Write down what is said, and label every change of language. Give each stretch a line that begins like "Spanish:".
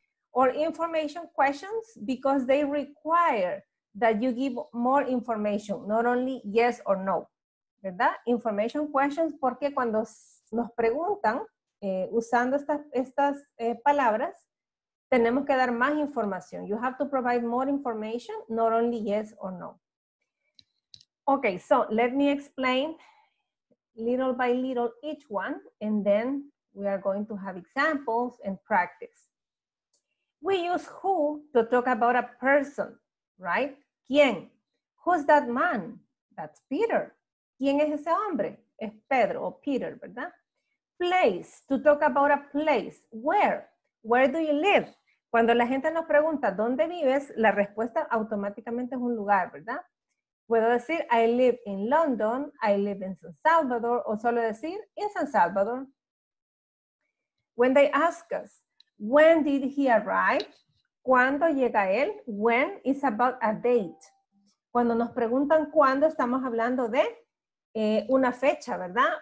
English: Or information questions because they require that you give more information, not only yes or no, ¿verdad?
Spanish: Information questions porque cuando nos preguntan, usando estas palabras, tenemos que dar más información.
English: You have to provide more information, not only yes or no. Okay, so let me explain little by little each one, and then we are going to have examples and practice. We use who to talk about a person, right?
Spanish: ¿Quién?
English: Who's that man? That's Peter.
Spanish: ¿Quién es ese hombre? Es Pedro o Peter, ¿verdad?
English: Place, to talk about a place. Where? Where do you live?
Spanish: Cuando la gente nos pregunta, ¿dónde vives? La respuesta automáticamente es un lugar, ¿verdad? Puedo decir,
English: I live in London, I live in San Salvador,
Spanish: o solo decir, in San Salvador.
English: When they ask us, when did he arrive?
Spanish: ¿Cuándo llega él?
English: When is about a date.
Spanish: Cuando nos preguntan cuándo, estamos hablando de una fecha, ¿verdad?